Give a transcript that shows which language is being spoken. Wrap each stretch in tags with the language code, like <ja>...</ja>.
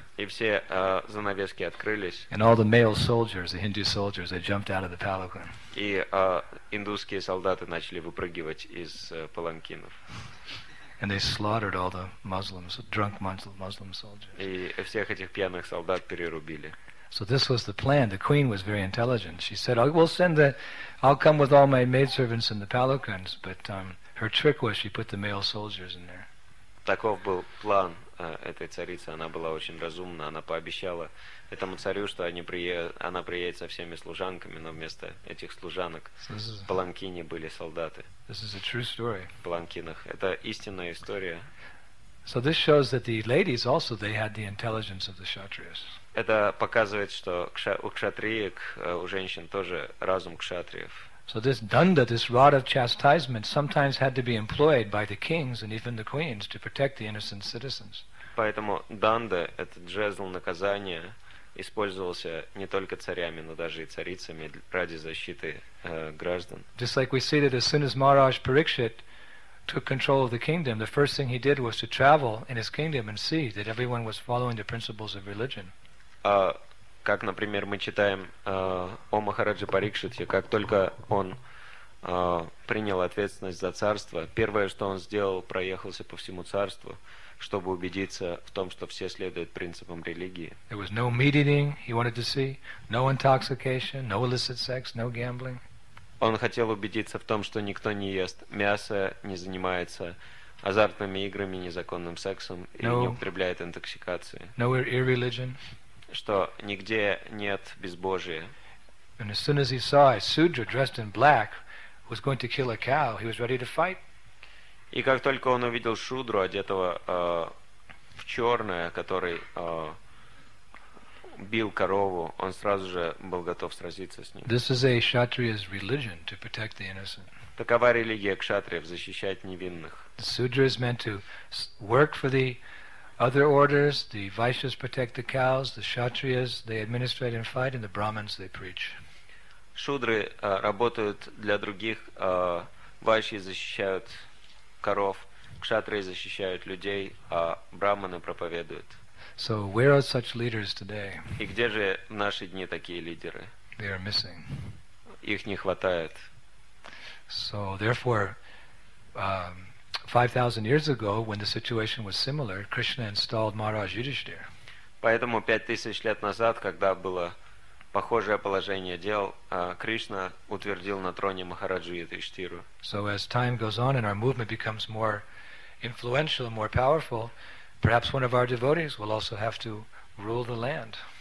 <ru>И все занавески открылись.</ru> <en>And all the male soldiers, the Hindu soldiers, they jumped out of the palanquin.</en> <ru>И индусские солдаты начали выпрыгивать из паланкинов.</ru> <en>And they slaughtered all the Muslims, drunk Muslim soldiers.</en> <ru>И всех этих пьяных солдат перерубили.</ru> <en>So this was the plan. The queen was very intelligent. She said, "I'll come with all my maidservants and the palanquins." But her trick was she put the male soldiers in there.</en> <ru>Таков был план этой царицы. Она была очень разумна. Она пообещала этому царю, что она приедет со всеми служанками, но вместо этих служанок в паланкине были солдаты.</ru> <en>This is a true story.</en> <ru>В паланкинах. Это истинная история.</ru> <en>So this shows that the ladies also, they had the intelligence of the kshatriyas.</en> <ru>Это показывает, что у кшатриек, у женщин тоже разум кшатриев.</ru> <en>So this danda, this rod of chastisement, sometimes had to be employed by the kings and even the queens to protect the innocent citizens.</en> <ru>Поэтому данда, этот жезл наказания, использовался не только царями, но даже и царицами ради защиты граждан.</ru> <en>Just like we see that as soon as Maharaj Parikshit took control of the kingdom, the first thing he did was to travel in his kingdom and see that everyone was following the principles of religion.</en> <ru>Как, например, мы читаем о Махараджи Парикшите, как только он принял ответственность за царство, первое, что он сделал, проехался по всему царству, чтобы убедиться в том, что все следуют принципам религии.</ru> <en>There was no meat eating he wanted to see, no intoxication, no illicit sex, no gambling.</en> <ru>Он хотел убедиться в том, что никто не ест мясо, не занимается азартными играми, незаконным сексом и не употребляет интоксикации.</ru> <en>No irreligion.</en> <ru>Что нигде нет безбожия.</ru> <en>And as soon as he saw a sudra dressed in black was going to kill a cow, he was ready to fight.</en> <ru>И как только он увидел шудру, одетого в черное, который бил корову, он сразу же был готов сразиться с ним.</ru> <en>This is a kshatriya's religion, to protect the innocent.</en> <ru>Такова религия кшатриев, защищать невинных.</ru> <en>The sudra is meant to work for the other orders, the vaishyas protect the cows, the kshatriyas, they administrate and fight, and the brahmins, they preach.</en> <ru>Шудры работают для других, вайши защищают коров, кшатрии защищают людей, а брахманы проповедуют.</ru> <en>So where are such leaders today?</en> <ru>И где же в наши дни такие лидеры?</ru> <en>They are missing.</en> <ru>Их не хватает.</ru> <en>So therefore, 5,000 years ago, when the situation was similar, Krishna installed Maharaj Yudhishthira.</en> <ru>Поэтому 5000 лет назад, когда было похожее положение дел Кришна утвердил на троне Махараджу Юдхиштхиру.</ru> <en>So as time goes on and our movement becomes more influential, more powerful, perhaps one of our devotees will also have to rule the land.</en>